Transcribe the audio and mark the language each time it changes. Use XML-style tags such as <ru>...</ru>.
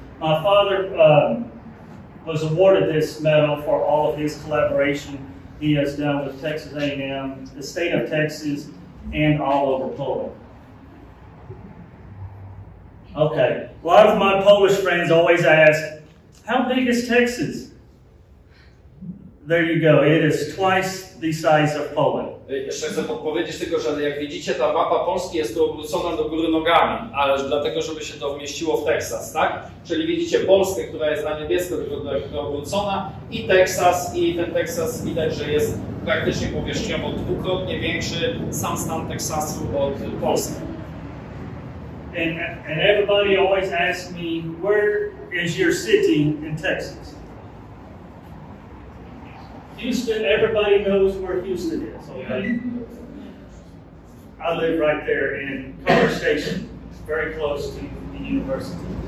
<en>My father was awarded this medal for all of his collaboration he has done with Texas A&M, the state of Texas, and all over Poland. Okay, a lot of my Polish friends always ask, how big is Texas? There you go, it is twice the size of Poland.</en> <pl>Jeszcze chcę podpowiedzieć tylko, że jak widzicie, ta mapa Polski jest tu obrócona do góry nogami, ale dlatego, żeby się to umieściło w Teksas, tak? Czyli widzicie Polskę, która jest na niebiesko obrócona i Teksas, i ten Teksas widać, że jest praktycznie powierzchniowo dwukrotnie większy sam stan Teksasu od Polski.</pl> <en>And everybody always asks me, where is your city in Texas? Houston, everybody knows where Houston is, okay? I live right there in College Station, very close to the university.</en>